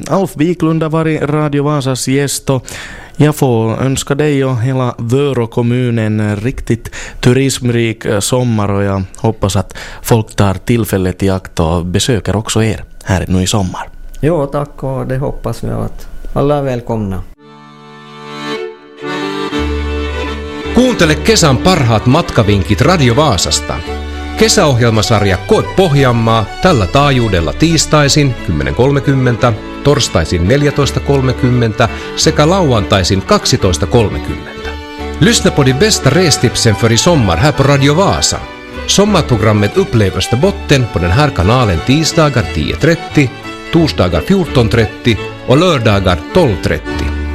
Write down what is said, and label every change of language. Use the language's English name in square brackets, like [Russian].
[Swedish] Alf Wiklund har varit Radio Vasas gäst och jag får önska dig och hela Vörå kommunen riktigt turismrik sommar och jag hoppas att folk tar tillfället i akt och besöker också er här nu i sommar. Jo, tack och det hoppas vi att alla är välkomna. [Finnish] Kuuntele kesän parhaat matkavinkit Radio Vaasasta. Kesäohjelmasarja Koe Pohjanmaa tällä taajuudella tiistaisin 10.30, torstaisin 14.30 sekä lauantaisin 12.30. [Swedish] Lyssna på de bästa restipsen för i sommar här på Radio Vaasa. Sommarprogrammet upplevs på botten på den här kanalen tisdagar 10.30, torsdagar 14.30 och lördagar 12.30.